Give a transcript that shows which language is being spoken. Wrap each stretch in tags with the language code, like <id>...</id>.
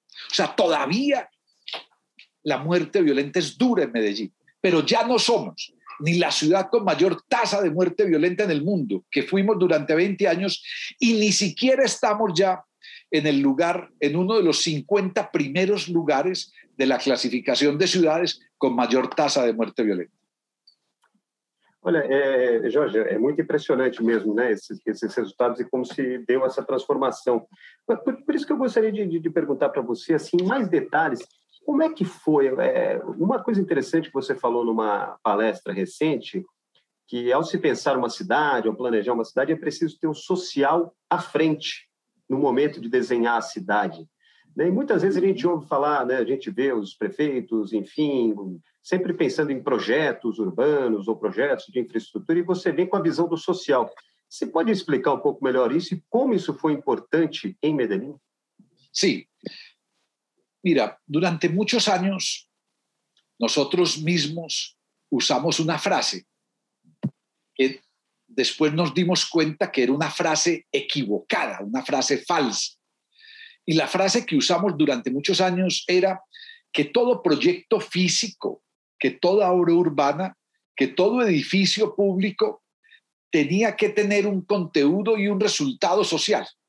<es>O sea, todavía la muerte violenta es dura en Medellín, pero ya no somos ni la ciudad con mayor tasa de muerte violenta en el mundo, que fuimos durante 20 años, y ni siquiera estamos ya en el lugar, en uno de los 50 primeros lugares de la clasificación de ciudades con mayor tasa de muerte violenta.</es> <pt>Olha, Jorge, é muito impressionante mesmo, né, esses resultados e como se deu essa transformação. Por isso que eu gostaria de perguntar para você, assim, mais detalhes, como é que foi? Uma coisa interessante que você falou numa palestra recente, que ao se pensar uma cidade, ao planejar uma cidade, é preciso ter o social à frente no momento de desenhar a cidade. E muitas vezes a gente ouve falar, né, a gente vê os prefeitos, enfim, sempre pensando em projetos urbanos ou projetos de infraestrutura, e você vem com a visão do social. Você pode explicar um pouco melhor isso e como isso foi importante em Medellín? Sim. Mira, durante muitos anos, nós mesmos usamos uma frase que depois</pt> <es>nos dimos</es> <pt>conta que era uma frase equivocada, uma frase falsa.</pt> <es>Y la frase que usamos durante muchos años era que todo proyecto físico, que toda obra urbana, que todo edificio público tenía que tener un contenido y un resultado social.</es>